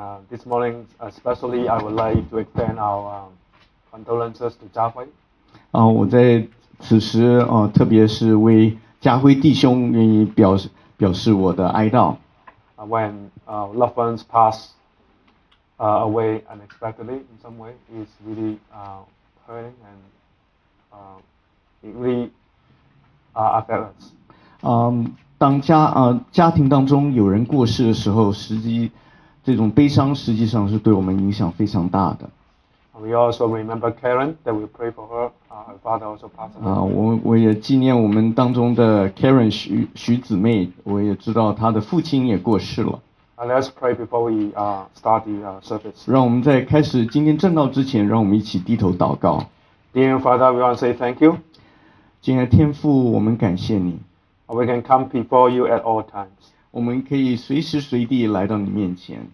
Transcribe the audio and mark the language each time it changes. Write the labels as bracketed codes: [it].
[en] This morning, especially, I would like to extend our condolences to Jia Hui. [zh] 我在此时特别是为家辉弟兄愿意表示我的哀悼。 [en] When loved ones pass away unexpectedly in some way, it's really hurting and it really affects us. [zh] 当家庭当中有人过世的时候，实际这种悲伤实际上是对我们影响非常大的。 [en] We also remember Karen that we pray for her. Her father also passed away. [zh] 我也纪念我们当中的 Karen 徐姊妹，我也知道她的父亲也过世了。 [en] Let's pray before we start the service. [zh] 让我们在开始今天正道之前，让我们一起低头祷告。 [en] Dear Father, we want to say thank you. [zh] 亲爱的天父，我们感谢你。 [en] We can come before you at all times. [zh] 我们可以随时随地来到你面前。